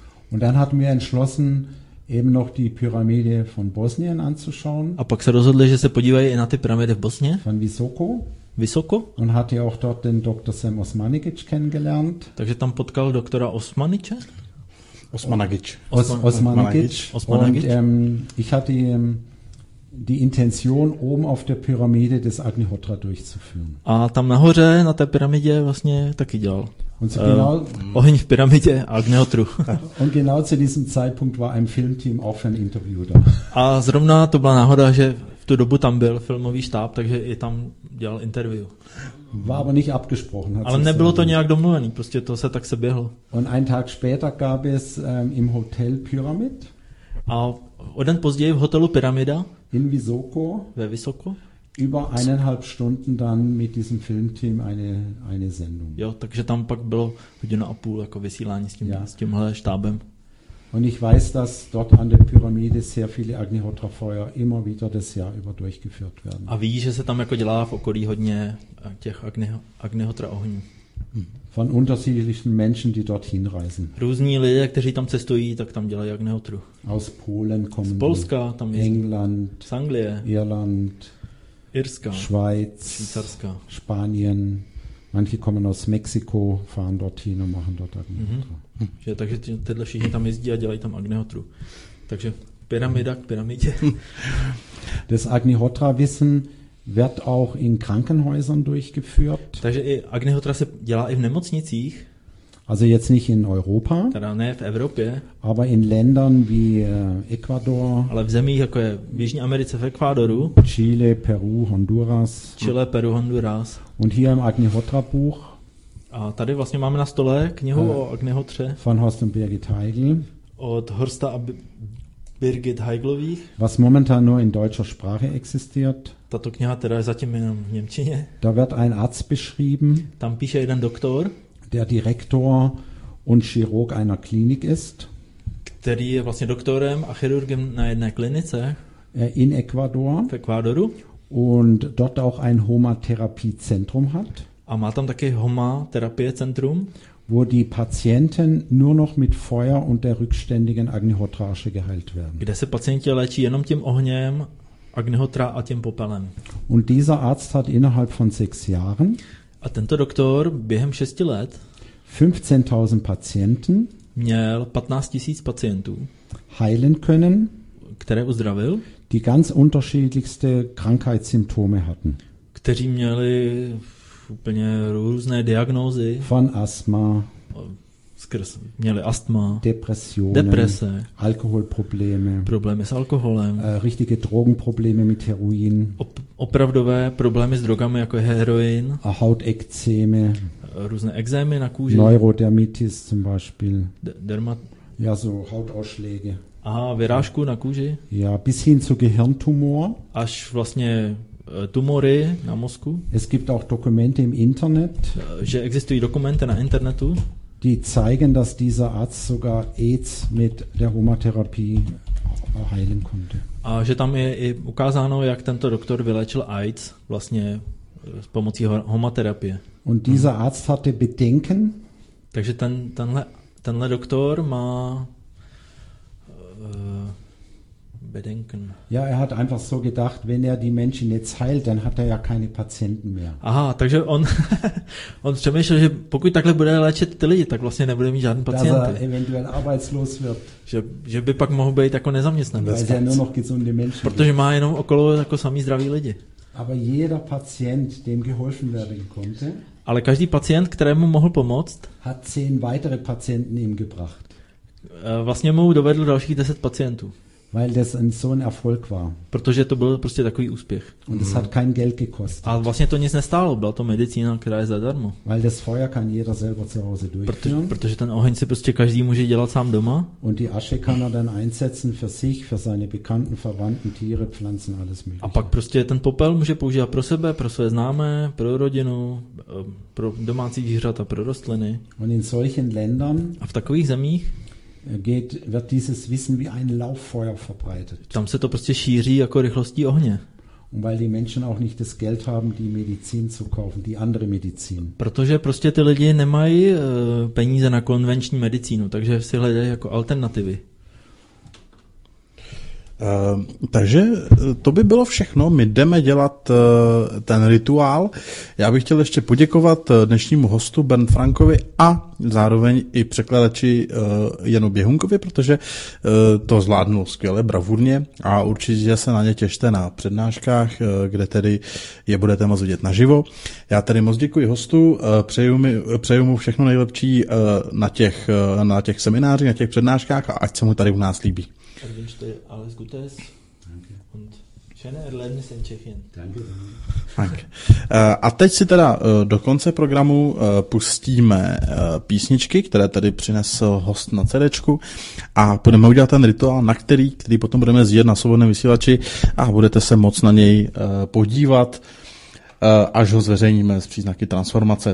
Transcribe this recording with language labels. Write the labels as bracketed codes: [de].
[de] Und dann hatten wir entschlossen, eben noch die Pyramide von Bosnien anzuschauen. [cs] A pak se rozhodli, že se podívají i na ty pyramidy v Bosně. [de] Von Visoko. [cs] Visoko. [de] Und hatte auch dort den Dr. Sam Osmanić kennengelernt. [cs] Takže tam potkal doktora Osmaniče. [de] Osmanagic. Und ich hatte die Intention, oben auf der Pyramide des Agnihotra durchzuführen. [cs] A tam nahoře na té pyramidě vlastně taky dělal. [de] Und genau, [cs] oheň v pyramidě Agnihotru. [de] Und genau zu diesem Zeitpunkt war ein Filmteam auch für ein Interview da. [cs] A zrovna to byla náhoda, že v tu dobu tam byl filmový štáb, takže i tam dělal interview. [de] War aber nicht abgesprochen, [cs] ale nebylo to nějak domluvený, prostě to se tak se běhlo. [de] Und einen Tag später gab es im Hotel Pyramid. [cs] A o den později v hotelu Pyramida. [de] In Visoko. [cs] Ve Visoko. [de] Über 1,5 Stunden dann mit diesem Filmteam eine Sendung. [cs] Jo, takže tam pak bylo hodinu a půl jako vysílání s tím, ja, s tímhle štábem. [de] Und ich weiß, dass dort an der Pyramide sehr viele Agnihotra-Feuer immer wieder das Jahr über durchgeführt werden. [cs] A víš, že se tam jako dělá v okolí hodně těch Agnihotra-ohní. [de] Von unterschiedlichen Menschen, die dorthin reisen. [cs] Různí lidé, kteří tam cestují, tak tam dělají Agnihotru. [de] Aus Polen kommen. [cs] Z Polska, tam [de] je England, [cs] z Anglie, [de] Irland, [cs] Irska, [de] Schweiz, [cs] Švýcarska, [de] Spanien. Manche kommen aus Mexiko, fahren dorthin und machen dort Agnihotra. Mhm. [cs] Takže tyhle všichni tam jezdí a dělají tam Agnihotru. Takže pyramida k pyramidě. [de] Das Agnihotra-Wissen wird auch in Krankenhäusern durchgeführt. [cs] Takže i Agnihotra se dělá i v nemocnicích. [de] Also jetzt nicht in Europa, [cs] teda ne v Evropě, [de] aber in Ländern wie Ecuador, [cs] ale v zemích jako je v Jižní Americe, v Ekvádoru, [de] Chile, Peru, Honduras. [cs] Chile, Peru, Honduras. [de] Und hier im Agnihotra Buch. [cs] A tady vlastně máme na stole knihu o Agnihotře. [de] Von Horst und Birgit Heigl. [cs] Od Horsta a Birgit Heiglových. [de] Was momentan nur in deutscher Sprache existiert. [cs] Tato kniha teda je zatím jenom v němčině. [de] Da wird ein Arzt beschrieben. [cs] Tam píše jeden doktor. [de] Der Direktor und Chirurg einer Klinik ist. [cs] Který je vlastně doktorem a chirurgem na jedné klinice. [de] In Ecuador. [cs] V Ekvádoru. [de] Und dort auch ein Homa-Therapie-Zentrum hat. [cs] A má tam taky Homa-Therapie-Zentrum. [de] Wo die Patienten nur noch mit Feuer und der rückständigen Agnihotra-Asche geheilt werden. [cs] Kde se pacienti léčí jenom tím ohněm Agnihotra a tím popelem. [de] Und dieser Arzt hat innerhalb von 6 Jahren [cs] a tento doktor během 6 let [de] 15.000 Patienten [cs] měl 15.000 pacientů [de] heilen können, [cs] které uzdravil, [de] die ganz unterschiedlichste Krankheitssymptome hatten. [cs] Kteří měli úplně různé diagnózy. [de] Von Asthma, [cs] skrz, měli astma, [de] Depressionen, [cs] deprese, [de] Alkoholprobleme, [cs] problémy s alkoholem, [de] richtige Drogenprobleme mit Heroin, [cs] opravdové problémy s drogami jako je heroin, [de] Hautekzeme, [cs] různé ekzémy na kůži, [de] Neurodermitis zum Beispiel, ja, so Hautausschläge. [cs] Aha, vyrážku na kůži. [de] Ja, bis hin zu Gehirntumor. [cs] Až vlastně tumory na mozku. [de] Es gibt auch Dokumente im Internet. [cs] Že existují dokumenty na internetu. [de] Die zeigen, dass dieser Arzt sogar AIDS mit der Aromatherapie heilen konnte. [cs] A že tam je i ukázáno, jak tento doktor vyléčil AIDS vlastně s pomocí homoterapie. [de] Und dieser Arzt hatte Bedenken. [cs] Takže tenhle doktor má [de] Bedenken. Ja, er hat einfach so gedacht, wenn er die Menschen jetzt heilt, dann hat er ja keine Patienten mehr. [cs] Aha, takže on přemýšlel, že pokud takhle bude léčit ty lidi, tak vlastně nebude mít žádný pacienty. [de] Dass er eventuell arbeitslos wird. [cs] Že by pak mohl být jako nezaměstnaný. [de] Weil er nur noch gesunde Menschen. [cs] Protože má jenom okolo jako samý zdraví lidi. [de] Aber jeder Patient, dem geholfen werden konnte, [cs] ale každý pacient, kterému mohl pomoct, [de] hat 10 weitere Patienten ihm gebracht. [cs] Vlastně mu dovedl dalších 10 pacientů. [de] Weil das ein so ein Erfolg war. [cs] Protože to byl prostě takový úspěch. [de] Und es hat kein Geld gekostet. [cs] A vlastně to nic nestálo, byla to medicína, která je zadarmo. [de] Weil das Feuer kann jeder selber zu Hause durchführen. [cs] Protože ten oheň si prostě každý může dělat sám doma. [de] Und die Asche kann er dann einsetzen für sich, für seine Bekannten, Verwandten, Tiere, Pflanzen, alles mögliche. [cs] A pak prostě ten popel může používat pro sebe, pro své známé, pro rodinu, pro domácí zvířata, pro rostliny. [de] Und in solchen Ländern, [cs] a v takových zemích, [de] geht, wird dieses Wissen wie ein Lauffeuer verbreitet. [cs] Tam se to prostě šíří jako rychlostí ohně. [de] Und weil die Menschen auch nicht das Geld haben, die Medizin zu kaufen, die andere Medizin. [cs] Protože prostě ty lidi nemají peníze na konvenční medicínu, takže si hledají jako alternativy. Takže to by bylo všechno, my jdeme dělat ten rituál. Já bych chtěl ještě poděkovat dnešnímu hostu Bernd Frankovi a zároveň i překladači Janu Běhunkovi, protože to zvládnul skvěle, bravurně, a určitě se na ně těšte na přednáškách, kde tedy je budete moc vidět naživo. Já tedy moc děkuji hostu, přeju mu všechno nejlepší na těch seminářích, na těch přednáškách, a ať se mu tady u nás líbí. [de] Ich wünsche dir alles Gutes und schöne Erlebnisse in Tschechien. Danke. [cs] Tak. A teď si teda do konce programu pustíme písničky, které tady přinesl host na CDčku, a budeme udělat ten rituál, na který potom budeme zjet na svobodném vysílači, a budete se moc na něj podívat, až ho zveřejníme s příznaky transformace.